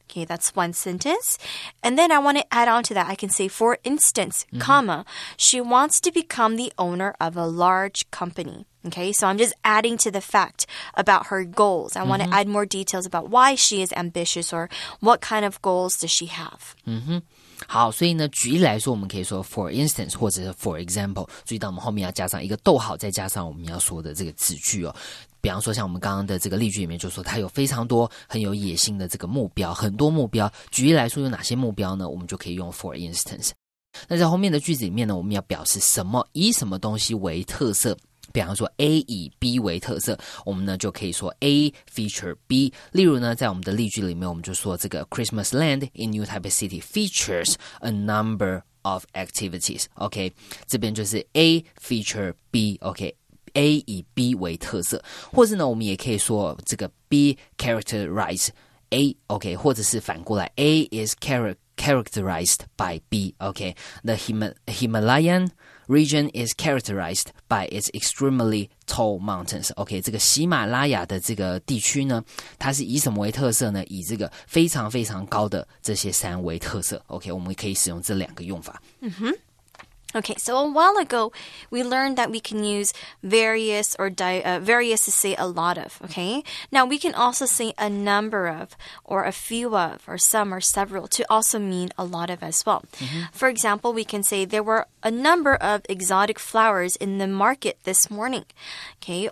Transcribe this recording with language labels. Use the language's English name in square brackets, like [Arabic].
[English] Okay, that's one sentence. And then I want to add on to that. I can say, for instance, comma, she wants to become the owner of a large company. Okay, so I'm just adding to the fact about her goals. I want to add more details about why she is ambitious or what kind of goals does she have. [Chinese] 好，所以呢，举例来说，我们可以说 for instance 或者是 for example。注意到我们后面要加上一个逗号，再加上我们要说的这个子句哦。比方说像我们刚刚的这个例句里面就说他有非常多很有野心的这个目标，很多目标。举例来说有哪些目标呢？我们就可以用 for instance。那在后面的句子里面呢，我们要表示什么，以什么东西为特色。比方说 A 以 B 为特色，我们呢就可以说 A feature B。例如呢，在我们的例句里面，我们就说这个 [English] Christmas Land in New Taipei City features a number of activities。 [Chinese] OK， 这边就是 A feature B。 OK， A 以 B 为特色，或是呢我们也可以说这个 B characterize A。 OK， 或者是反过来 [English] A is characterized by B。 OK， the Himalayan region is characterized by its extremely tall mountains。 [Chinese] OK， 这个喜马拉雅的这个地区呢，它是以什么为特色呢？以这个非常非常高的这些山为特色。OK， 我们可以使用这两个用法。 [English] Okay, so a while ago, we learned that we can use various or various to say a lot of, okay? Now, we can also say a number of or a few of or some or several to also mean a lot of as well. For example, we can say there were a number of exotic flowers in the market this morning, okay?